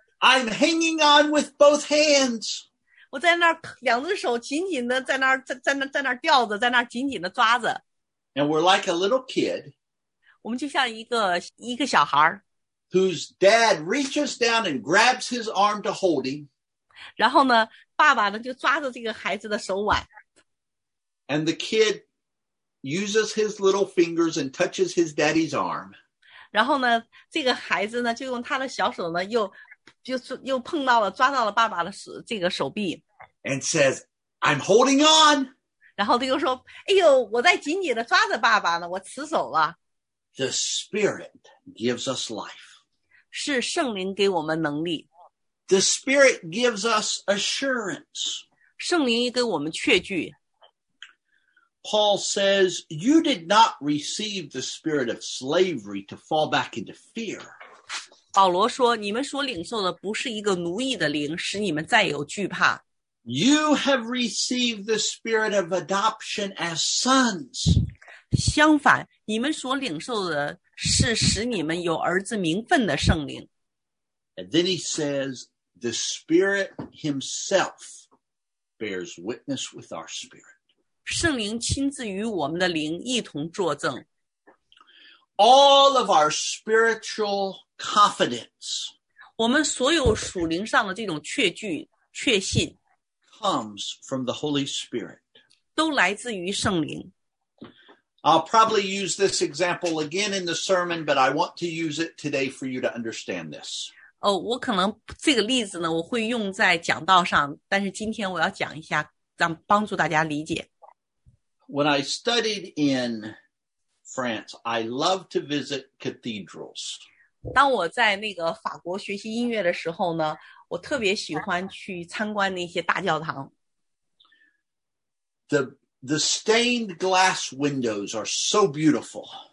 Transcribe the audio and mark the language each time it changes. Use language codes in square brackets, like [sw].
[en] I'm hanging on with both hands. [zh] 我在那儿两只手紧紧地在那儿 在那儿吊着，在那儿紧紧地抓着。 [en] And we're like a little kid. [zh] 我们就像一个小孩儿。 [en] Whose dad reaches down and grabs his arm to hold him. [zh] 然后呢，爸爸呢就抓着这个孩子的手腕。 [en] And the kid uses his little fingers and touches his daddy's arm. [zh] 然后呢，这个孩子呢就用他的小手呢又碰到了抓到了爸爸的这个手臂。 [en] And says, "I'm holding on." [zh] 然后他又说，哎呦，我在紧紧的抓着爸爸呢，我持守了。 [en] The Spirit gives us life. [zh] 是圣灵给我们能力。 [en] The Spirit gives us assurance. [zh] 圣灵给我们确据。 [en] Paul says, you did not receive the spirit of slavery to fall back into fear. [zh] 保罗说，你们所领受的不是一个奴役的灵，使你们再有惧怕。 [en] You have received the spirit of adoption as sons. [zh] 相反，你们所领受的是使你们有儿子名分的圣灵。 [en] And then he says, the Spirit himself bears witness with our spirit. [zh] 圣灵亲自与我们的灵一同作证。 [en] All of our spiritual confidence, [zh] 我们所有属灵上的这种确据、确信 [en] comes from the Holy Spirit. [zh] 都来自于圣灵。 [en] I'll probably use this example again in the sermon, but I want to use it today for you to understand this. [zh] Oh, 我可能这个例子呢，我会用在讲道上，但是今天我要讲一下，让帮助大家理解。 [en] When I studied in France, I loved to visit cathedrals. [zh] 当我在那个法国学习音乐的时候呢，我特别喜欢去参观那些大教堂。 [en] The stained glass windows are so beautiful.